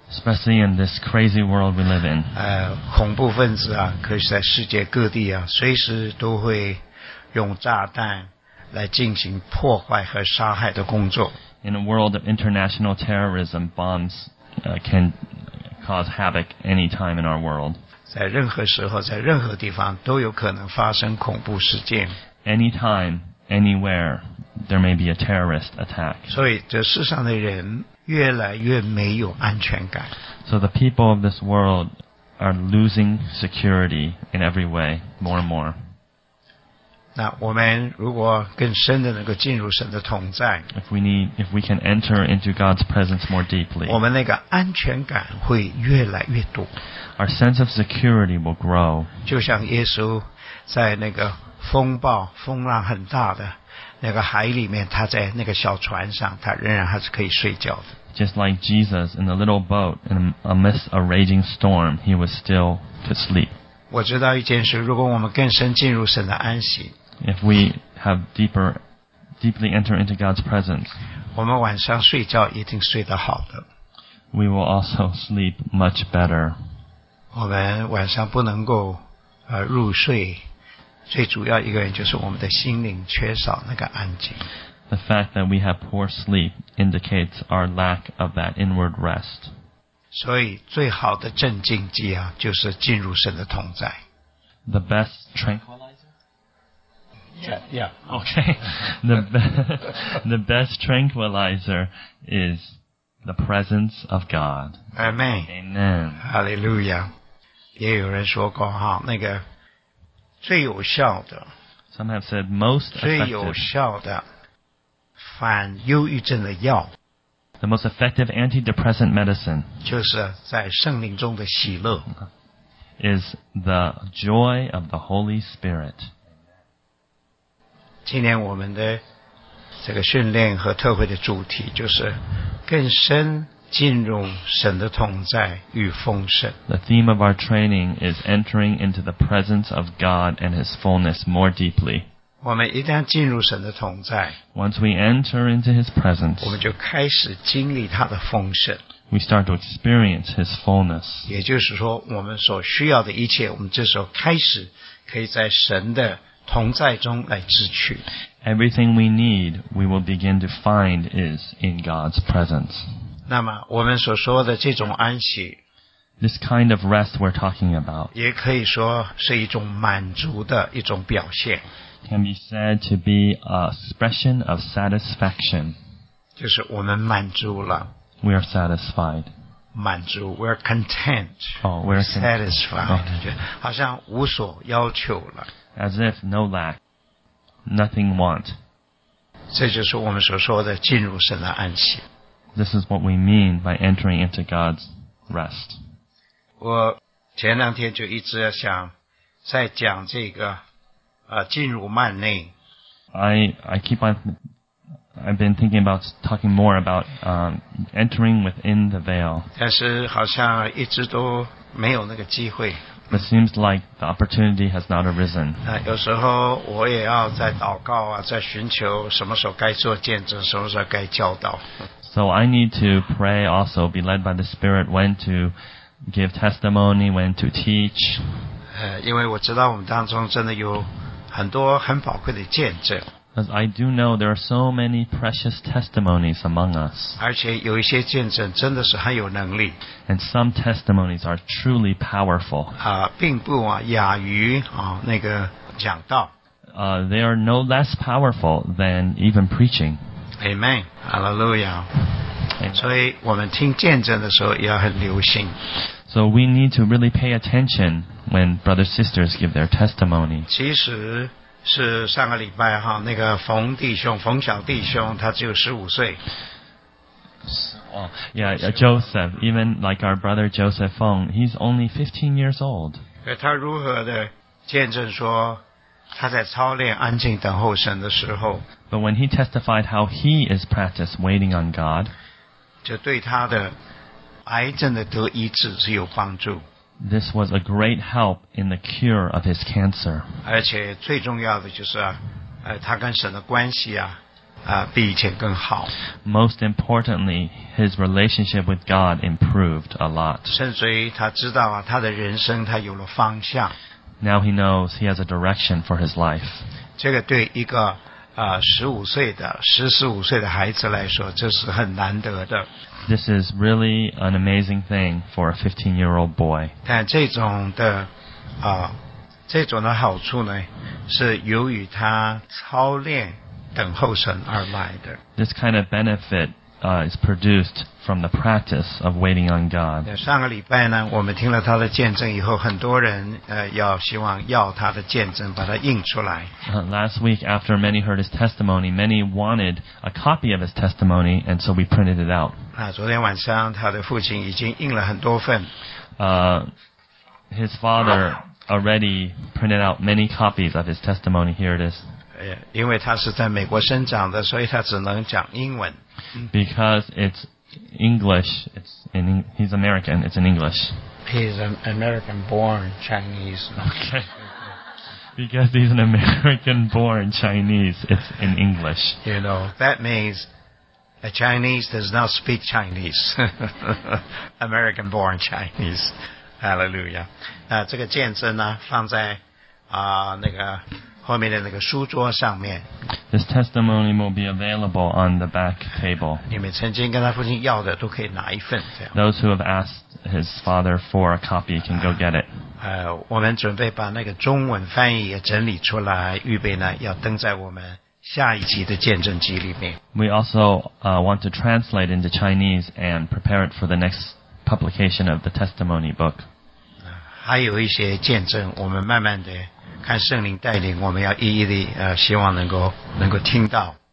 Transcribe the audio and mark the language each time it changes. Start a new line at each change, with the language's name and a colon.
English: Especially in this crazy world we live in
Chinese: 恐怖分子可以在世界各地随时都会用炸弹来进行破坏和杀害的工作。
English: In a world of international terrorism, bombs can cause havoc any time in our world.
Chinese: 在任何时候，在任何地方都有可能发生恐怖事件。
English: Any time, anywhere, there may be a terrorist attack.
Chinese: 所以这世上的人越来越没有安全感。
English: So the people of this world are losing security in every way, more and more.
Chinese: 那我们如果更深的能够进入神的同在
English: if we can enter into God's presence more deeply,
Chinese: 我们那个安全感会越来越多
English: Our sense of security will grow.
Chinese: 就像耶稣在那个风暴风浪很大的那个海里面他在那个小船上他仍然还是可以睡觉的
English: Just like Jesus in the little boat in amidst a raging storm, he was still to sleep.
Chinese: 我知道一件事，如果我们更深进入神的安息
English: ，If we have deeply enter into God's presence，
Chinese: 我们晚上睡觉一定睡得好的。
English: We will also sleep much better。
Chinese: 我们晚上不能够入睡，最主要一个原因就是我们的心灵缺少那个安静。
English: The fact that we have poor sleep indicates our lack of that inward rest.
Chinese: 所以最好的镇静剂啊，就是进入神的同在。
English: The best tranquilizer. Yeah. Okay. The best tranquilizer is the presence of God. Amen. Amen. Hallelujah.
Chinese: 也有人说过哈，那个最有效的。
English: Some have said most effective.
Chinese: 最有效的反忧郁症的药。
English: The most effective antidepressant medicine
Chinese: 就是在圣灵中的喜乐
English: is the joy of the Holy Spirit.
Chinese: 今天我们的这个训练和特会的主题就是更深进入神的同在与丰盛
English: The theme of our training is entering into the presence of God and His fullness more deeply.
Chinese: 我们一旦进入神的同在
English: Once we enter into His presence,
Chinese: 我们就开始经历他的丰盛
English: We start to experience His fullness.
Chinese: 也就是说我们所需要的一切我们这时候开始可以在神的同在中来支取
English: Everything we need, we will begin to find is in God's presence.
Chinese: 那么我们所说的这种安息
English: This kind of rest we're talking about,
Chinese: 也可以说是一种满足的一种表现
English: Can be said to be an expression of satisfaction.
Chinese: 就是我们满足了
English: We are satisfied.
Chinese: 满足
English: we're content. Oh, we're satisfied. Okay.
Chinese: 好像无所要求了
English: As if no lack, nothing want.
Chinese: 这就是我们所说的进入神的安息
English: This is what we mean by entering into God's rest.
Chinese: 我前两天就一直想在讲这个进入幔内
English: I've been thinking about talking more about entering within the veil
Chinese: 但是好像一直都没有那个机会
English: It seems like the opportunity has not arisen
Chinese: 有时候我也要在祷告啊在寻求什么时候该做见证什么时候该教导
English: So I need to pray also be led by the Spirit when to give testimony when to teach
Chinese: 因为我知道我们当中真的有很多很宝贵的见证
English: As I do know there are so many precious testimonies among us
Chinese: 而且有一些见证真的是很有能力
English: And some testimonies are truly powerful
Chinese: 并不亚于那个讲道
English: They are no less powerful than even preaching Amen Hallelujah Amen.
Chinese: 所以我们听见证的时候也要很留心
English: So we need to really pay attentionwhen brothers and sisters give their testimony.
Chinese: 其实是上个礼拜哈那个冯弟兄冯小弟兄他只有15岁。
English: Yeah, Joseph, even like our brother Joseph Fong, he's only 15 years old.
Chinese: 他如何的见证说他在操练安静等候神的时候。
English: But when he testified how he is practiced waiting on God,
Chinese: 就对他的癌症的得医治是有帮助。
English: This was a great help in the cure of his cancer.
Chinese: 而且最重要的就是他跟神的关系比以前更好。
English: Most importantly, his relationship with God improved a lot.
Chinese: 甚至他知道他的人生他有了方向。
English: Now he knows he has a direction for his life.
Chinese: 这个对一个15岁的、14、15岁的孩子来说，这是很难得的。
English: This is really an amazing thing for a 15-year-old boy.
Chinese: 但这种的这种的好处呢是由于他操练等候神而来的。
English: This kind of benefit is produced from the practice of waiting on God.
Chinese: 上个礼拜呢，我们听了他的见证以后，很多人要希望要他的见证，把它印出来。
English: Last week, after many heard his testimony, many wanted a copy of his testimony, and so we printed it out.
Chinese: 昨天晚上他的父亲已经印了很多份。
English: His father already printed out many copies of his testimony. Here it is.
Chinese: 因为他是在美国生长的，所以他只能讲英文。
English: Because it's English, he's American, it's in English. He's an American born Chinese. Okay. Because he's an American born Chinese, it's in English. You know, that means a Chinese does not speak Chinese. American born Chinese. Hallelujah.
Chinese: 这个见证呢放在那个后面的那个书桌上面。
English: This testimony will be available on the back table.
Chinese: 你们曾经跟他父亲要的都可以拿一份。
English: Those who have asked his father for a copy can go get it.
Chinese: 我们准备把那个中文翻译也整理出来，预备呢要登在我们下一集的见证集里面。
English: We also want to translate into Chinese and prepare it for the next publication of the testimony book.
Chinese: 还有一些见证，我们慢慢的。看圣灵带领，我们要一一的希望能够听到。